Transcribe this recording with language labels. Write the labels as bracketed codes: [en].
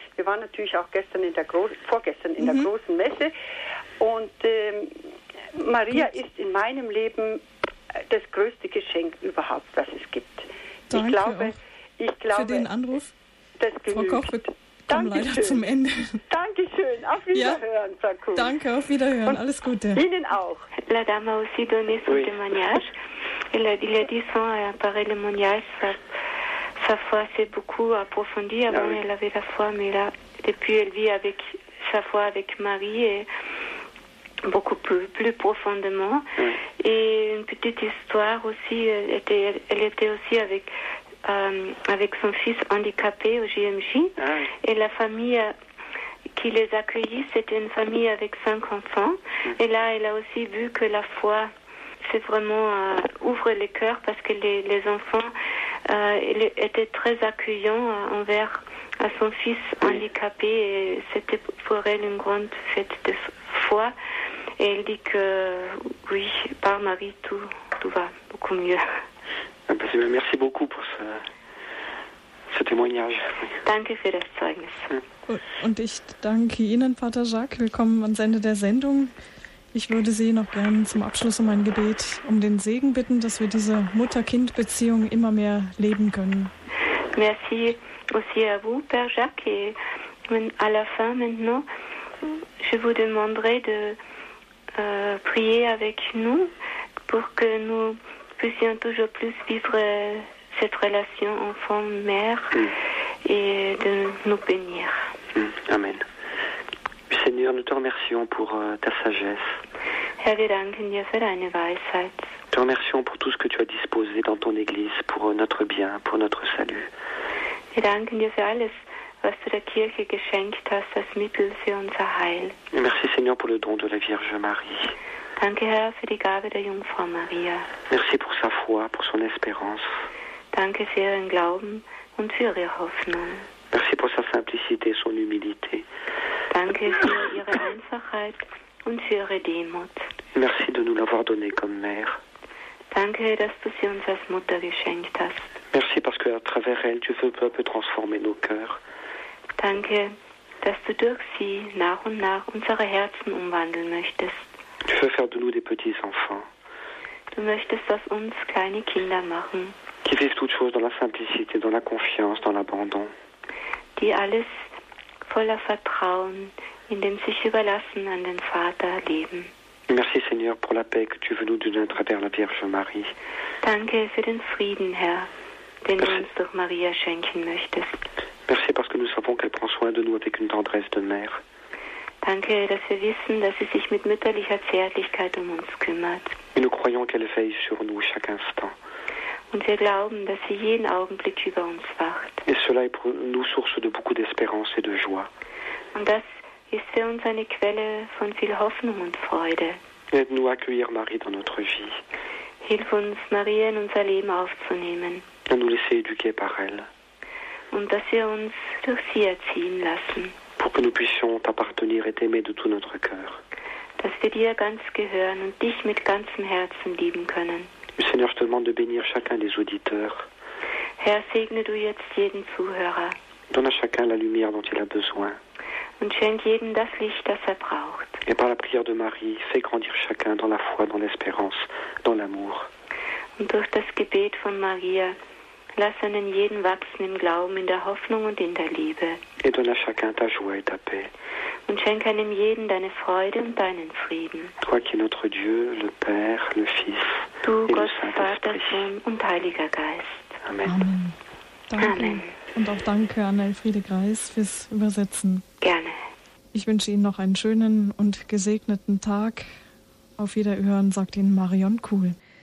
[de] Wir waren natürlich auch vorgestern in der großen Messe. Und Maria ist in meinem Leben das größte Geschenk überhaupt, was es gibt. Danke ich glaube, für den Anruf. Das genügt. Frau Koch, wir kommen leider zum Ende. Dankeschön. Auf Wiederhören, ja. Frau Koch. Danke, auf Wiederhören. Und alles Gute. Ihnen auch. [fr] La dame a aussi donné son témoignage. Il a dit son appareil de mariage. Sa foi s'est beaucoup approfondie. Avant, elle avait la foi, mais là, depuis, elle vit avec sa foi avec Marie et beaucoup plus profondément. Et une petite histoire aussi, elle était aussi avec son fils handicapé au JMJ. Et la famille qui les accueillit, c'était une famille avec 5 enfants. Et là, elle a aussi vu que la foi, c'est vraiment ouvre les cœurs parce que les enfants étaient très accueillants envers à son fils handicapé. Et c'était pour elle une grande fête de foi. Et elle dit que oui, par Marie, tout va beaucoup mieux. Merci beaucoup pour ce témoignage. [de] Danke für das Zeugnis. Und ich danke Ihnen, Pater Jacques. Willkommen ans Ende der Sendung. Ich würde Sie noch gern zum Abschluss um ein Gebet, um den Segen bitten, dass wir diese Mutter-Kind-Beziehung immer mehr leben können. [fr] Merci aussi à vous, Père Jacques. Et à la fin maintenant, je vous demanderai de prier avec nous pour que nous puissions toujours plus vivre cette relation enfant-mère et de nous bénir. Amen. Seigneur, nous te remercions pour ta sagesse. [de] Herr, wir danken dir für deine Weisheit. [fr] Te remercions pour tout ce que tu as disposé dans ton Église pour notre bien, pour notre salut. [de] Wir danken dir für alles, was du der Kirche geschenkt hast, das Mittel für unser Heil. [fr] Merci, Seigneur, pour le don de la Vierge Marie. [de] Danke, Herr, für die Gabe der Jungfrau Maria. [fr] Merci pour sa foi, pour son espérance. [de] Danke für ihren Glauben und für ihre Hoffnung. [fr] Merci pour sa simplicité, son humilité. [de] Danke für ihre Einfachheit und für ihre Demut. [fr] Merci de nous l'avoir donné comme mère. [de] Danke, dass du sie uns als Mutter geschenkt hast. [fr] Merci parce que à travers elle, tu veux peu à peu transformer nos cœurs. [de] Danke, dass du durch sie nach und nach unsere Herzen umwandeln möchtest. [fr] Tu veux faire de nous des petits enfants. [de] Du möchtest, dass uns kleine Kinder machen. [fr] Qui vivent toutes choses dans la simplicité, dans la confiance, dans l'abandon. [de] Die alles voller Vertrauen, in dem sich überlassen an den Vater leben. [fr] Merci Seigneur pour la paix que tu veux nous donner à travers la Vierge Marie. [de] Danke für den Frieden, Herr, den du uns durch Maria schenken möchtest. [fr] Merci parce que nous savons qu'elle prend soin de nous avec une tendresse de mère. [de] Danke, dass wir wissen, dass sie sich mit mütterlicher Zärtlichkeit um uns kümmert. [fr] Et nous croyons qu'elle veille sur nous chaque instant. [de] Und wir glauben, dass sie jeden Augenblick über uns wacht. [fr] Et cela est pour nous source de beaucoup d'espérance et de joie. [de] Und das ist für uns eine Quelle von viel Hoffnung und Freude. [fr] Aide-nous à accueillir Marie dans notre vie. [de] Hilf uns, Marie in unser Leben aufzunehmen. [fr] Et nous laisser éduquer par elle. [de] Und dass wir uns durch sie erziehen lassen. [fr] Pour que nous puissions t'appartenir et t'aimer de tout notre cœur. [de] Dass wir dir ganz gehören und dich mit ganzem Herzen lieben können. [fr] Le Seigneur, je te demande de bénir chacun des auditeurs. [de] Herr, segne du jetzt jeden Zuhörer. [fr] Donne à chacun la lumière dont il a besoin. [de] Und schenk jedem das Licht, das er braucht. [fr] Et par la prière de Marie, fais grandir chacun dans la foi, dans l'espérance, dans l'amour. [de] Und durch das Gebet von Maria, lass einen jeden wachsen im Glauben, in der Hoffnung und in der Liebe. [fr] Et donne à chacun ta joie et ta paix. [de] Und schenk einem jeden deine Freude und deinen Frieden. [fr] Toi qui es notre Dieu, le Père, le Fils, [de] du Gott, Vater, Sohn und Heiliger Geist. [fr] Amen. [de] Amen. Und auch danke an Elfriede Greis fürs Übersetzen. Gerne. Ich wünsche Ihnen noch einen schönen und gesegneten Tag. Auf Wiederhören, sagt Ihnen Marion Kuhl.